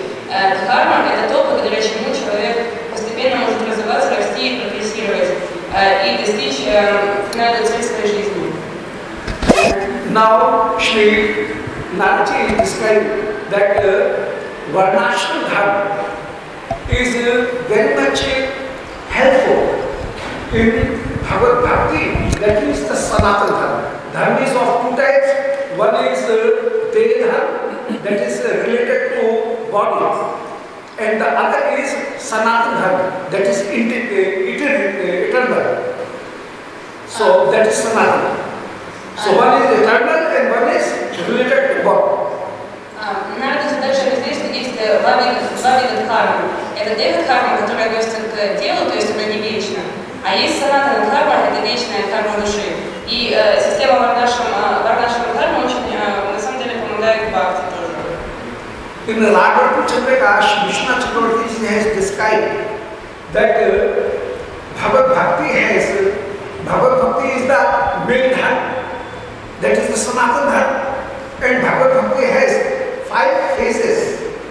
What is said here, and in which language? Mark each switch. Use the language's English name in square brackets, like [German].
[Russian] Дхарма – это то, благодаря чему человек постепенно может развиваться, расти и прогрессировать, и достичь финальной цели своей жизни. [English] Now, Shri Narati described that Varnashram Dharma is very much helpful in Bhagavad Bhakti, that is the Sanatana Dharma. Dharma is of two types. One is Deha Dharma, that is related to body. And the other is Sanatana Dharma, that is eternal. So that is Sanatana. So one is eternal and one is related to God. [Russian] Narada задача объяснить, что есть два вида дхармы. Это Деха Дхарма, которая относится к телу, то есть она не вечна. А есть Санатана Дхарма, это вечная карма души. И система Варнашрама Дхарма очень, на самом деле, помогает бхакти. [English] In the Lagartu Chandrakash, Vishnu Chakravarti has described that Bhagavad Bhakti has, Bhagavad Bhakti is the main dharma, that is the Sanatana Dharma, and Bhagavad Bhakti has five phases.